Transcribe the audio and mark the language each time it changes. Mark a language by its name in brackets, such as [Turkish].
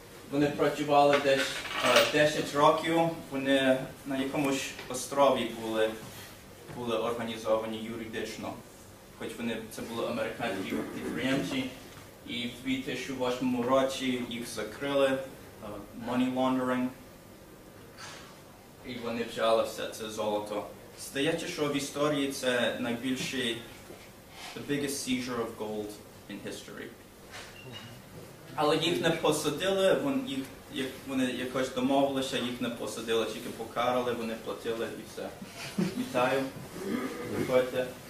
[Ukrainian] Вони працювали десь 10 років, вони на якомусь острові були організовані юридично, хоч вони це були американські підприємці. І в 2008 році їх закрили, [English] money laundering, [Ukrainian] і вони взяли все це золото. Здається, що в історії це найбільший, [English] the biggest seizure of gold in history. [Ukrainian] Але їх не посадили, вони якось домовилися, їх не посадили, тільки покарали, вони платили і все. Вітаю. Приходьте.